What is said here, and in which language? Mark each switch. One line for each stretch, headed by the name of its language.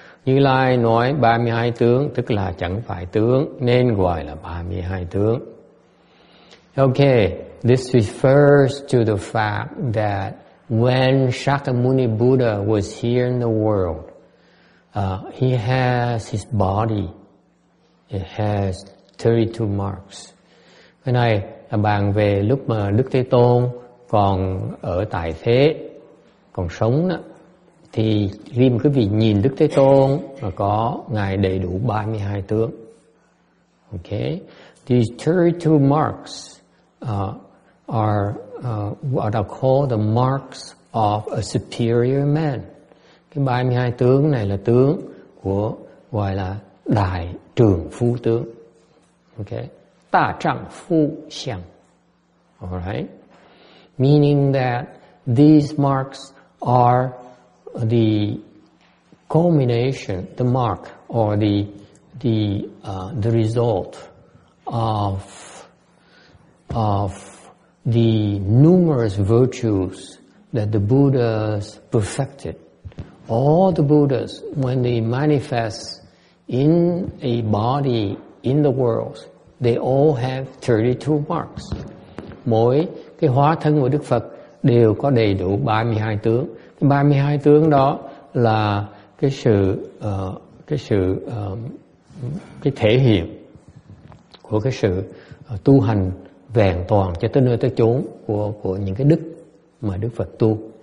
Vietnamese: Như Lai nói 32 tướng tức là chẳng phải tướng nên gọi là 32 tướng.
English: Okay, this refers to the fact that when Shakyamuni Buddha was here in the world, he has his body. It has 32 marks. When I
Vietnamese: bàn về lúc mà Đức Thế Tôn còn ở tại thế, còn sống đó, thì riêng quý vị nhìn Đức Thế Tôn mà có ngài đầy đủ 32 tướng. Okay.
English: These 32 marks what are called the marks of a superior man.
Vietnamese: Cái 32 tướng này là tướng của gọi là đại trưởng phu tướng.
English: Okay. Ta trang phu xiang. All right. Meaning that these marks are the culmination, the mark, or the result of the numerous virtues that the Buddhas perfected. All the Buddhas, when they manifest in a body in the world, they all have 32 marks.
Vietnamese: Mỗi cái hóa thân của Đức Phật đều có đầy đủ 32 tướng. Cái 32 tướng đó là cái thể hiện của cái sự tu hành vẹn toàn cho tới nơi tới chốn của những cái đức mà Đức Phật tu.